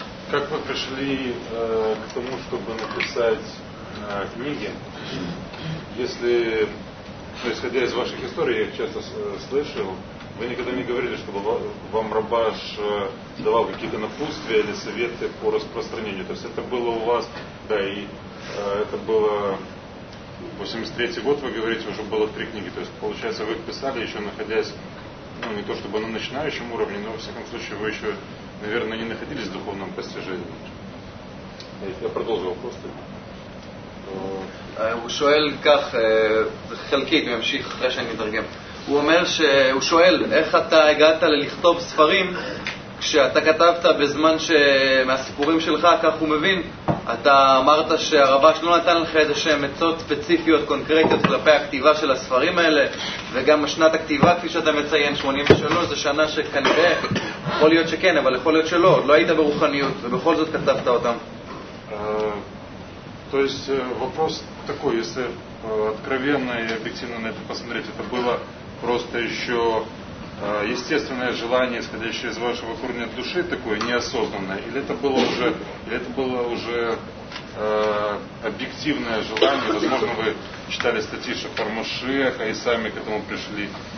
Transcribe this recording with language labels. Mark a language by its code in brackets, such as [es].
[ru] Как вы пришли к тому, чтобы написать книги, если, исходя из ваших историй, я их часто слышал, вы никогда не говорили, чтобы вам Рабаш давал какие-то напутствия или советы по распространению. То есть это было у вас, да, и это было 83-й год, вы говорите, уже было три книги. То есть, получается, вы их писали, еще находясь, ну, не то чтобы на начинающем уровне, но, во всяком случае, вы еще, наверное, не находились в духовном постижении. Я продолжу вопрос. [he] הוא שואל כך, חלקית, הוא ימשיך אחרי שאני מתרגם. הוא אומר שהוא שואל, איך אתה הגעת ללכתוב ספרים כשאתה כתבת בזמן מהסיפורים שלך, כך הוא מבין, אתה אמרת שהרבש לא נתן לך איזה שהם מצות ספציפיות, קונקרטיות, כלפי הכתיבה של הספרים האלה, וגם שנת הכתיבה, כפי שאתה מציין, 83, זו שנה שכנראה, יכול להיות שכן, אבל יכול להיות שלא, לא היית ברוחניות, ובכל זאת כתבת אותם. [ru] То есть вопрос такой, если откровенно и объективно на это посмотреть, это было просто еще естественное желание, исходящее из вашего корня души, такое неосознанное, или это было уже объективное желание, возможно, вы читали статьи Шафар-Машиаха и сами к этому пришли.